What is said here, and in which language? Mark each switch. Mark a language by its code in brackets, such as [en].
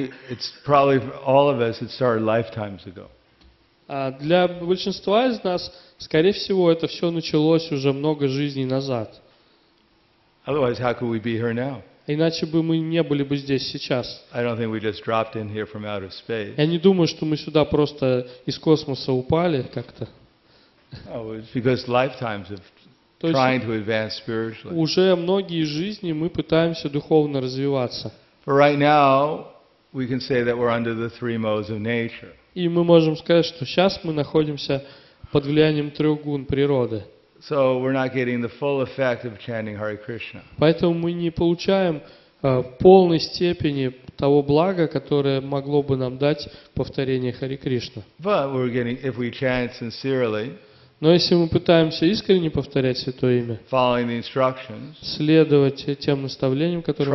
[en] It's probably for all of us, it started lifetimes ago. [ru] Для большинства из нас, скорее всего, это все началось уже много жизней назад. [en] Otherwise, how could we be here now? [ru] Иначе бы мы не были бы здесь сейчас. [en] I don't think we just dropped in here from outer space. [ru] Я не думаю, что мы сюда просто из космоса упали как-то. [en] Oh, it's because lifetimes of trying to advance spiritually. [ru] Уже многие жизни мы пытаемся духовно развиваться. [en] For right now, we can say that we're under the three modes of nature. [ru] И мы можем сказать, что сейчас мы находимся под влиянием трех гун природы. [en] So we're not getting the full effect of chanting Hare Krishna. [ru] Поэтому мы не получаем полной степени того блага, которое могло бы нам дать повторение Хари Кришна. [en] But we're getting, if we chant sincerely, [ru] но если мы пытаемся искренне повторять Святое Имя, [en] following the instructions, [ru] следовать тем наставлениям, которые